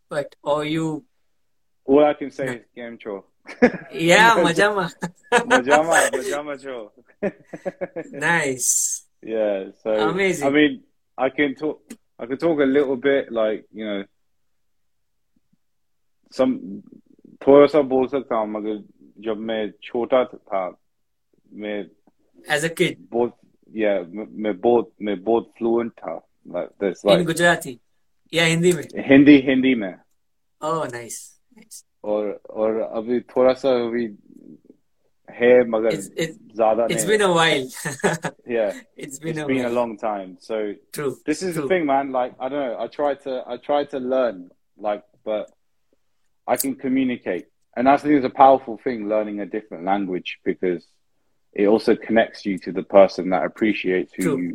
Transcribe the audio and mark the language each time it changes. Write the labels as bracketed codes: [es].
[en] But or you? All I can say is game cho. Yeah, majama. [gu] majama cho. [en] Nice. Yeah. So amazing. I mean, I can talk a little bit, like, you know. [hi] Some थोड़ा सा बोल सकता हूँ मगर जब मैं छोटा था मैं [en] as a kid [hi] बहुत yeah मैं बहुत fluent था [en] like this like [hi] in Gujarati या Hindi में Hindi में [en] oh nice [hi] और अभी थोड़ा सा अभी है मगर ज़्यादा [en] it's been a while yeah it's been a long time so true this is true. The thing man like I don't know I try to learn like but I can communicate. And I think it's a powerful thing, learning a different language, because it also connects you to the person that appreciates who